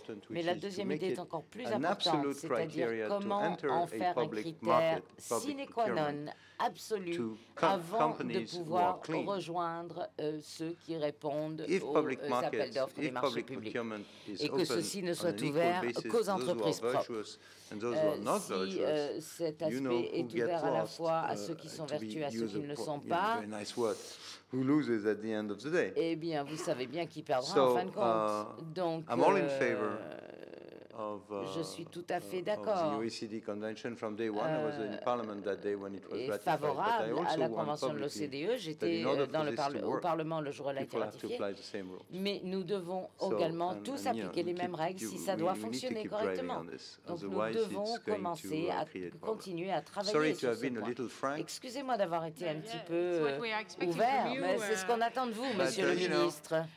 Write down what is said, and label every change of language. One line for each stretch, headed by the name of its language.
French: Mais la deuxième idée est encore plus importante, c'est-à-dire comment en faire un critère sine qua non absolu avant de pouvoir rejoindre ceux qui répondent aux appels d'offres des marchés publics, et que ceci ne soit ouvert qu'aux entreprises propres. Si cet aspect est ouvert à la fois à ceux qui sont vertueux et à ceux qui ne le sont pas,
English: who loses at the end of the day.
French: Eh bien, vous savez bien qui perdra en fin de compte. Donc,
English: I'm all in favor of,
French: je suis tout à fait d'accord.
English: The OECD convention from day one. I was in Parliament that day when it was ratified.
French: Favorable à la convention de l'OCDE. J'étais dans au Parlement le jour où elle a été ratifiée. Mais nous devons également tous appliquer les mêmes règles si ça doit fonctionner correctement. Donc nous devons commencer à continuer à travailler sur ce point. Excusez-moi d'avoir été un petit peu ouvert, mais c'est ce qu'on attend de vous, Monsieur le Ministre.